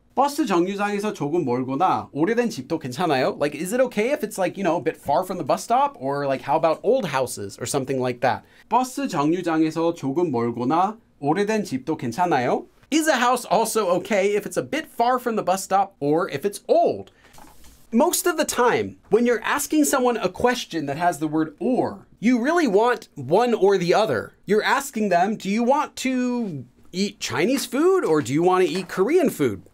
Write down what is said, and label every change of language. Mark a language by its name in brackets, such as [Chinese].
[Korean] 버스 정류장에서 조금 멀거나 오래된 집도 괜찮아요? [English] Like, is it okay if it's like, you know, a bit far from the bus stop? Or like, how about old houses or something like that? [Korean] 버스 정류장에서 조금 멀거나 오래된 집도 괜찮아요? [English] Is a house also okay if it's a bit far from the bus stop or if it's old? Most of the time, when you're asking someone a question that has the word or, you really want one or the other. You're asking them, do you want to eat Chinese food or do you want to eat Korean food?